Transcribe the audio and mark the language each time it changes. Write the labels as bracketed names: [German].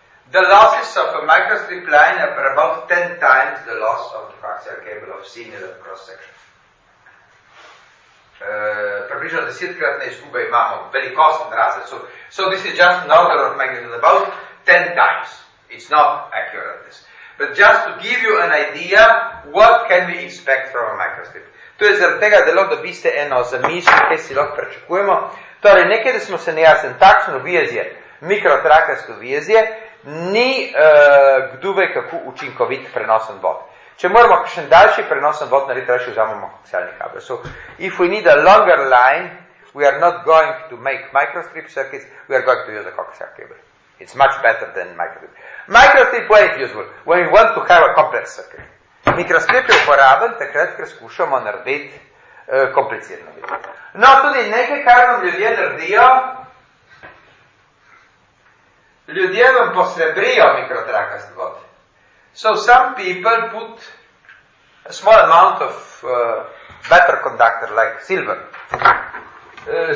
[English] The losses of a microstrip line are about 10 times the loss of the coaxial cable of similar cross-section. [Slovenian] Približno desetkratna izguba imamo, velikost razred. [English] So this is just an order of magnitude, about 10 times. It's not accurate, this. But just to give you an idea, what can we expect from a microstrip? [Slovenian] To je zaradi tega, da lahko dobiste eno zamišljenje, kaj si lahko pričakujemo. Torej, nekaj, da smo se nejasni, takšno vizije, mikrotrakarsko vizije, ni kdovej kako učinkovit prenosen vod. Če moramo kakšen daljši prenosen vod narediti, reči vzamemo koaksialni kabel. [English] So, if we need a longer line, we are not going to make microstrip circuits, we are going to use a coaxial cable. It's much better than microstrip. Microstrip, why it's useful? When we want to have a complex circuit. [Slovenian] Mikrostrip je uporaben, takrat, ker skušamo narediti komplicirano. No, tudi nekaj, kar vam ljudje naredijo, ljudje vam posrebrijo mikrotrakast vod. [English] So some people put a small amount of better conductor, like silver.